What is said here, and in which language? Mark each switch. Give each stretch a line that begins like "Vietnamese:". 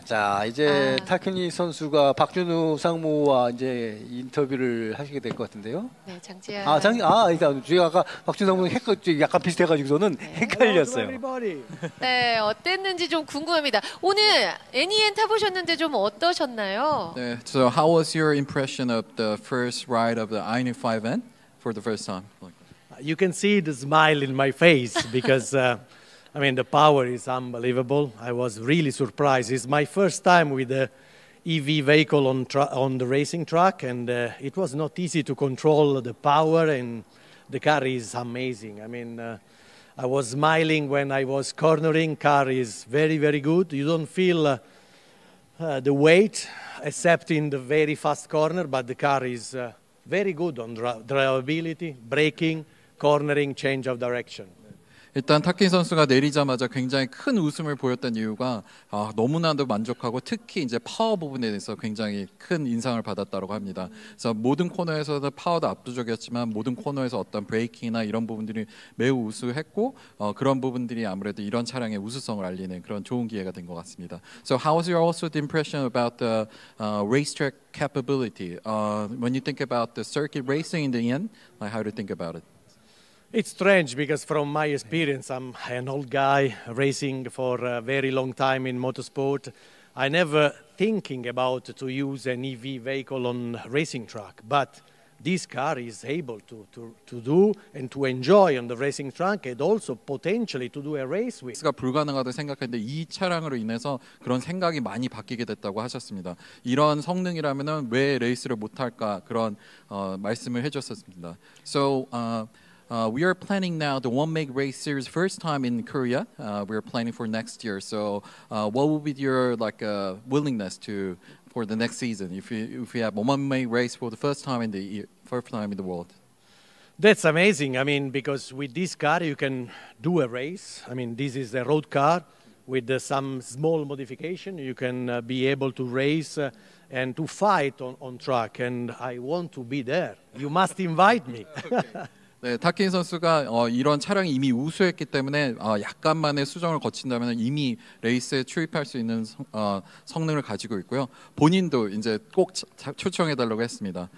Korean: 자, 이제 타크니 선수가 박준우 상무와 이제 인터뷰를 하시게 될 것 같은데요. 네, 장지아. 제가 아까 박준우 상무 헷갈려 약간 비슷해 가지고 저는 네. 헷갈렸어요.
English: Hello,
Korean: 네, 어땠는지 좀 궁금합니다. 오늘 NEN 타 보셨는데 좀 어떠셨나요? 네.
English: So how was your impression of the first ride of the IONIQ 5N for the first time? You can see the smile in my face because, I mean, the power is unbelievable. I was really surprised. It's my first time with an EV vehicle on the racing track, and it was not easy to control the power, and the car is amazing. I mean, I was smiling when I was cornering. Car is very, very good. You don't feel the weight, except in the very fast corner, but the car is very good on drivability, braking, cornering, change of direction.
Korean: 일단 타킨 선수가 내리자마자 굉장히 큰 웃음을 보였던 이유가 너무나도 만족하고 특히 이제 파워 부분에 대해서 굉장히 큰 인상을 받았다고 합니다. 그래서 모든 코너에서는 파워도 압도적이었지만 모든 코너에서 어떤 브레이킹이나 이런 부분들이 매우 우수했고 그런 부분들이 아무래도 이런 차량의 우수성을 알리는 그런 좋은 기회가 된 것 같습니다.
English: So how was your also the impression about the racetrack capability? When you think about the circuit racing in the end, like how do you think about it? It's strange because from my experience, I'm an old guy racing for a very long time in motorsport. I never thinking about to use an EV vehicle on racing track, but this car is able to do and to enjoy on the racing track and also potentially to do a race with.
Korean: 제가 불가능하다고 생각했는데 이 차량으로 인해서 그런 생각이 많이 바뀌게 됐다고 하셨습니다. 이런 성능이라면은 왜 레이스를 못 할까 그런 말씀을 해줬었습니다.
English: So, we are planning now the one meg race series first time in Korea. We are planning for next year. So, what will be your like willingness to for the next season if we have one meg race for the first time in the first time in the world? That's amazing. I mean, because with this car you can do a race. I mean, this is a road car with some small modification. You can be able to race and to fight on track. And I want to be there. You must invite me. Okay.
Korean: 네, 타킨 선수가 이런 차량이 이미 우수했기 때문에 약간만의 수정을 거친다면 이미 레이스에 출입할 수 있는 성능을 가지고 있고요. 본인도 이제 꼭 초청해달라고 했습니다.